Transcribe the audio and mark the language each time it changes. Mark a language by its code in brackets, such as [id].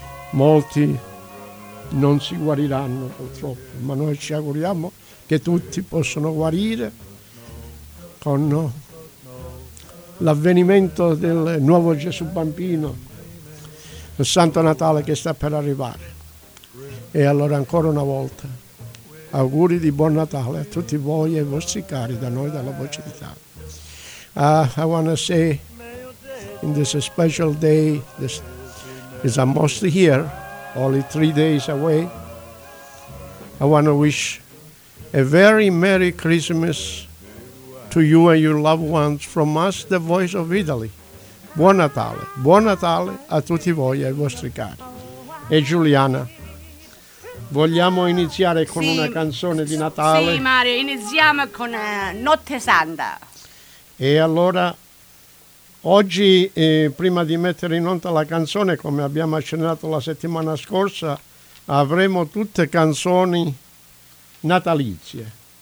[it] Molti non si guariranno purtroppo, ma noi ci auguriamo che tutti possano guarire con l'avvenimento del nuovo Gesù Bambino, il Santo Natale che sta per arrivare. E allora ancora una volta auguri di buon Natale a tutti voi e ai vostri cari da noi dalla Voce d'Italia. [en] I want to say in this special day, this is almost here, only 3 days away, I want to wish a very Merry Christmas to you and your loved ones from us, the Voice of Italy. [it] Buon Natale a tutti voi e ai vostri cari. E Giuliana, vogliamo iniziare con una canzone di Natale? Sì, Mario, iniziamo con Notte Santa. E allora, oggi, prima di mettere in onda la canzone, come abbiamo accennato la settimana scorsa, avremo tutte canzoni natalizie.